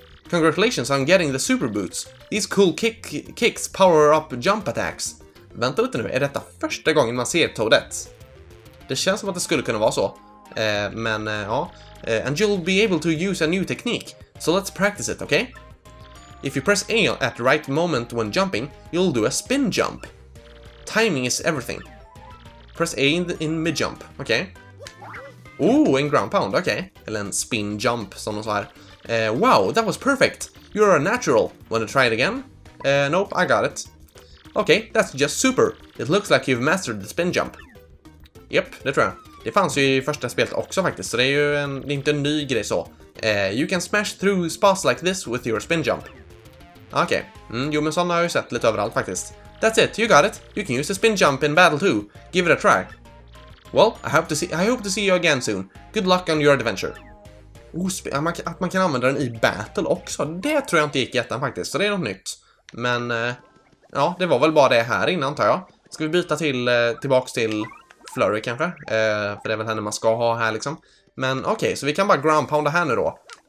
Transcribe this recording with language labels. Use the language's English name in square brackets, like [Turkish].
[English] Congratulations on getting the super boots. These cool kicks power up jump attacks. [Swedish] Vänta lite nu. Är detta första gången man ser Toadette? Det känns som att det skulle kunna vara så. Men ja. [English] And you'll be able to use a new technique. So let's practice it, okay? If you press A at the right moment when jumping, you'll do a spin jump. Timing is everything. Press A in mid-jump, okay? Ooh, en ground pound, okay. [Swedish] Eller en spin jump, som de sa här. [English] Wow, that was perfect. You're a natural. Wanna try it again? Nope, I got it. Okay, that's just super. It looks like you've mastered the spin jump. [Swedish] Yep, det tror jag. Det fanns ju i första spelet också faktiskt, så det är ju inte en ny grej så. [English] You can smash through spots like this with your spin jump. [Swedish] Okej, jo men sådana har jag ju sett lite överallt faktiskt. [English] That's it, you got it. You can use the spin jump in battle too. Give it a try. Well, I hope to see you again soon. Good luck on your adventure. [Swedish] Att man kan använda den i battle också, det tror jag inte gick jättan faktiskt, så det är något nytt. Men, ja, det var väl bara det här innan tar jag. Ska vi byta tillbaks till Flurry kanske? För det är väl henne man ska ha här liksom. Men okej, okay, så vi kan bara ground pounda här nu då.